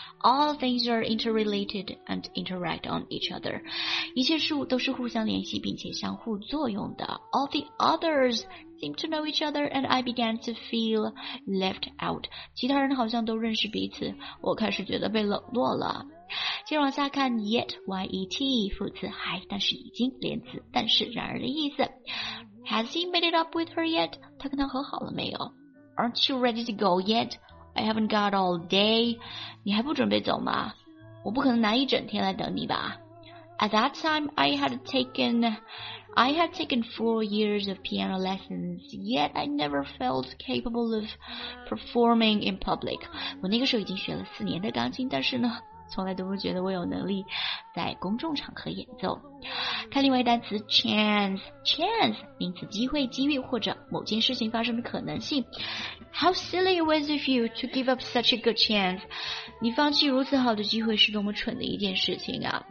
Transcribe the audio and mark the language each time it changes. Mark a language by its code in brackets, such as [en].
[en] All things are interrelated and interact on each other. [zh] 一切事物都是互相联系并且相互作用的。 [en] All the others seem to know each other and I began to feel left out. [zh] 其他人好像都认识彼此，我开始觉得被冷落了。接着往下看 yet, y-e-t, 副词还，但是已经，连词，但是，然而的意思。 [en] Has he made it up with her yet? [zh] 他跟他和好了没有？ [en] Aren't you ready to go yet? I haven't got all day. [zh] 你还不准备走吗？我不可能拿一整天来等你吧。 [en] At that time, I had taken 4 years of piano lessons, yet I never felt capable of performing in public. [zh] 我那个时候已经学了4年的钢琴，但是呢，从来都不觉得我有能力在公众场合演奏。看另外一单词 chance 名词机会机遇或者某件事情发生的可能性。 [en] How silly it was of you to give up such a good chance. [zh] 你放弃如此好的机会是多么蠢的一件事情啊。